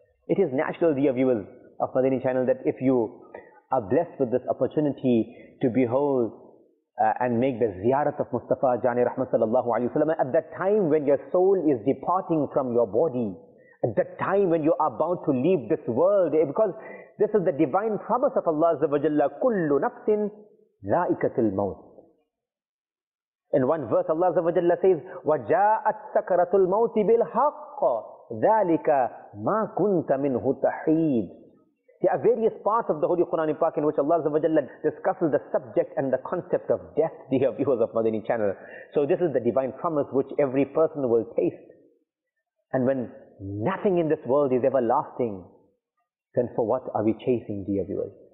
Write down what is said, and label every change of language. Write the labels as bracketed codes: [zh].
[en] It is natural, dear viewers of Madani channel, that if you are blessed with this opportunity to behold and make the ziyarat of Mustafa Jani Rahmat sallallahu alayhi wa sallam, at that time when your soul is departing from your body, at that time when you are about to leave this world, because this is the divine promise of Allah Azza wa Jalla, [ar] kullu nafsin za'ikatul maut. [en] In one verse Allah Azza wa Jalla says, [ar] وَجَاءَتْ سَكَرَةُ الْمَوْتِ بِالْحَقِّ ذَلِكَ مَا كُنْتَ مِنْهُ تَحِيدٌ. [en] There are various parts of the Holy Quran Pak in which Allah Azza wa Jalla discusses the subject and the concept of death, dear viewers of Madani channel. So this is the divine promise which every person will taste. And when nothing in this world is everlasting, then for what are we chasing, dear viewers?